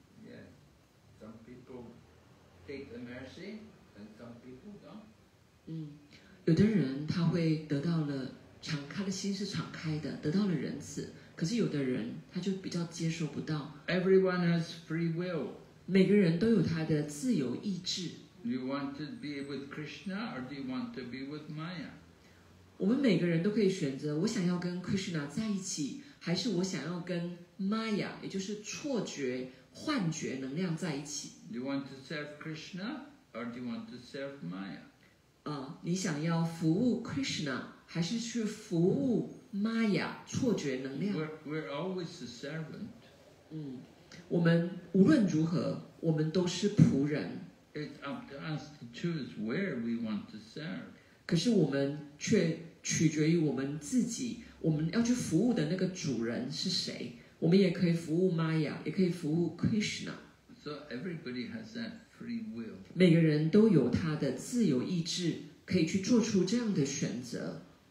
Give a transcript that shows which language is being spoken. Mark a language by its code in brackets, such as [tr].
[en] Yes, some people take the mercy and some people don't. [zh] 嗯，有的人他会得到了敞开的心，是敞开的，得到了仁慈，可是有的人他就比较接受不到。 [en] Everyone has free will. [zh] 每个人都有他的自由意志。 [en] Do you want to be with Krishna or do you want to be with Maya? [zh] 我们每个人都可以选择，我想要跟 Krishna 在一起，还是我想要跟 Maya, 也就是错觉、幻觉能量在一起。 [en] Do you want to serve Krishna or do you want to serve Maya? [zh] 你想要服务 Krishna 还是去服务Maya, 错觉能量。 [en] We're always a servant. [zh] 我们无论如何我们都是仆人。 [en] It's up to us to choose where we want to serve. [zh] 可是我们却取决于我们自己，我们要去服务的那个主人是谁。我们也可以服务 Maya, 也可以服务 Krishna. [en] So everybody has that free will. [zh] 每个人都有他的自由意志，可以去做出这样的选择。